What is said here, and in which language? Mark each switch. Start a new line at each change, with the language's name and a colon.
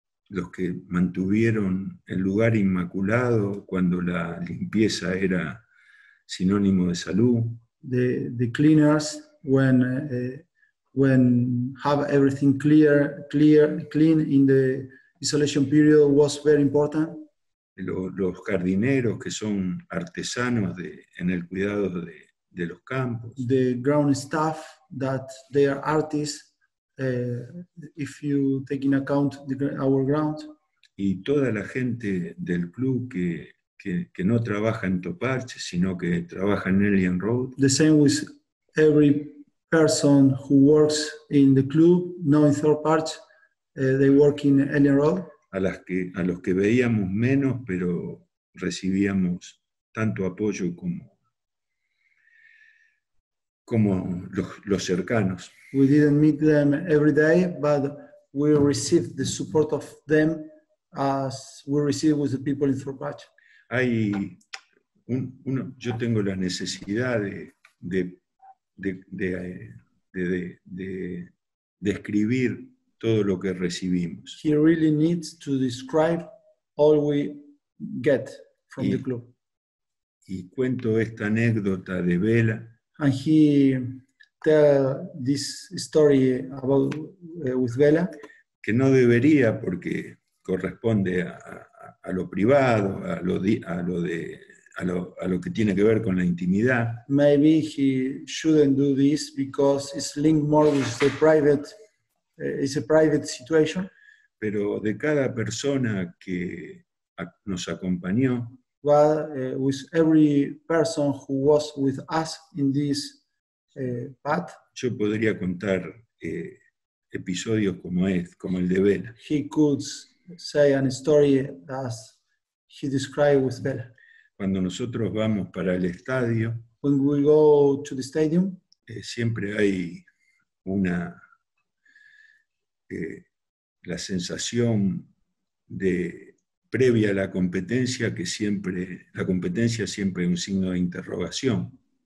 Spanish: Los que mantuvieron el lugar inmaculado cuando la limpieza era sinónimo de salud.
English: The cleaners when have everything clean in the isolation period was very important.
Spanish: Los jardineros que son artesanos en el cuidado de los campos.
English: The ground staff that they are artists. If you take in account our ground,
Spanish: y toda la gente del club que no trabaja en Toparche, sino que trabaja en Elian Road.
English: The same with every person who works in the club, not in Toparche, they work in Elian Road.
Spanish: A los que veíamos menos, pero recibíamos tanto apoyo como los cercanos.
English: We didn't meet them every day, but we received the support of them as we received with the people in Thorpach.
Spanish: Yo tengo la necesidad de escribir todo lo que recibimos.
English: He really needs to describe all we get from the club.
Spanish: Y cuento esta anécdota de Vela.
English: And he tell this story about with Vela.
Spanish: Que no debería porque corresponde a lo privado, a lo que tiene que ver con la intimidad.
English: Maybe he shouldn't do this because it's linked more with the private. It's a private situation.
Spanish: Pero de cada persona que nos acompañó.
English: Well, with every person who was with us in this path.
Spanish: Yo podría contar episodios como el de Vela.
English: He could say a story as he described with Vela.
Spanish: Cuando nosotros vamos para el estadio.
English: When we go to the stadium.
Spanish: Siempre hay una la sensación de previa a la competencia que siempre la competencia siempre es un signo de interrogación.